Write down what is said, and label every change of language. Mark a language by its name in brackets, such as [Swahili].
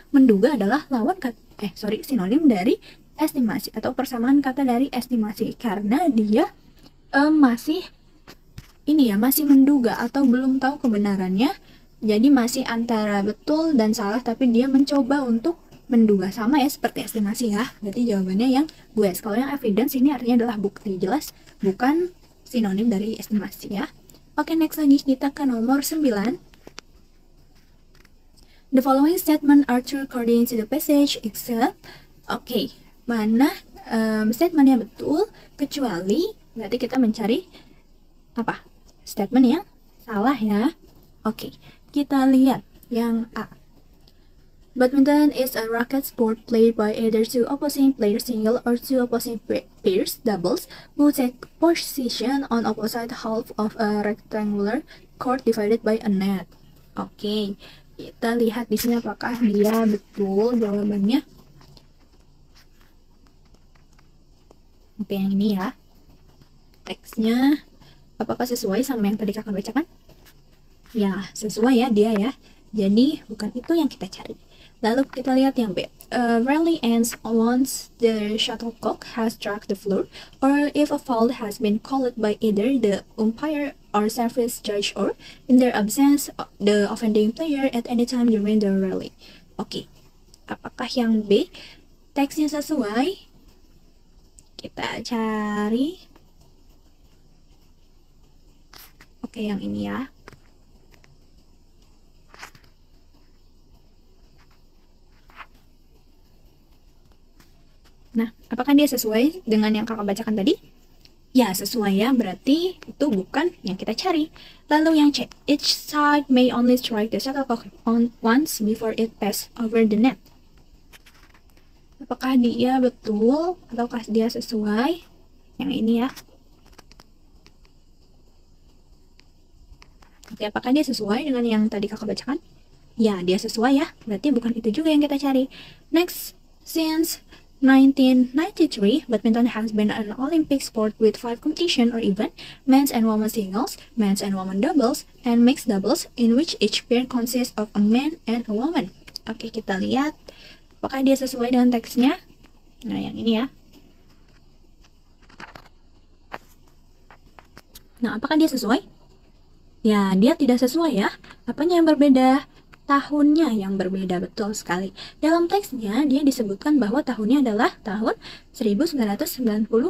[Indonesian] Menduga adalah sinonim dari estimasi atau persamaan kata dari estimasi karena dia masih menduga atau belum tahu kebenarannya. Jadi masih antara betul dan salah, tapi dia mencoba untuk menduga. Sama ya seperti estimasi ya. Berarti jawabannya yang gue. Kalau yang evidence ini artinya adalah bukti. Jelas bukan sinonim dari estimasi ya. Oke, next lagi kita ke nomor 9. [English] The following statement are true according to the passage except. [Indonesian] Oke, mana statementnya betul kecuali. Berarti kita mencari apa? Statement yang salah ya. Oke, kita lihat yang A. [English] Badminton is a racket sport played by either two opposing players single or two opposing pairs doubles who take position on opposite half of a rectangular court divided by a net. [Indonesian] Oke, kita lihat di sini apakah dia betul jawabannya. Oke, yang ini ya. Teksnya, apakah sesuai sama yang tadi kakak bacakan? Ya, sesuai ya dia ya. Jadi, bukan itu yang kita cari. Lalu kita lihat yang B. [English] Rarely ends once the shuttlecock has struck the floor, or if a foul has been called by either the umpire or service judge, or in their absence, the offending player at any time during the rally. [Indonesian] Oke, apakah yang B teksnya sesuai? Kita cari. Oke, yang ini ya. Nah, apakah dia sesuai dengan yang kakak bacakan tadi? Ya, sesuai ya. Berarti itu bukan yang kita cari. Lalu yang C. [English] Each side may only strike the shuttlecock on once before it pass over the net. [Indonesian] Apakah dia betul ataukah dia sesuai? Yang ini ya. Oke, apakah dia sesuai dengan yang tadi kakak bacakan? Ya, dia sesuai ya. Berarti bukan itu juga yang kita cari. [English] Next, since 1993, badminton has been an Olympic sport with 5 competition or event, men's and women's singles, men's and women doubles, and mixed doubles, in which each pair consists of a man and a woman. [Indonesian] Oke, kita lihat apakah dia sesuai dengan teksnya. Nah, yang ini ya. Nah, apakah dia sesuai? Ya, dia tidak sesuai ya. Apanya yang berbeda? Tahunnya yang berbeda, betul sekali. Dalam teksnya, dia disebutkan bahwa tahunnya adalah tahun 1992.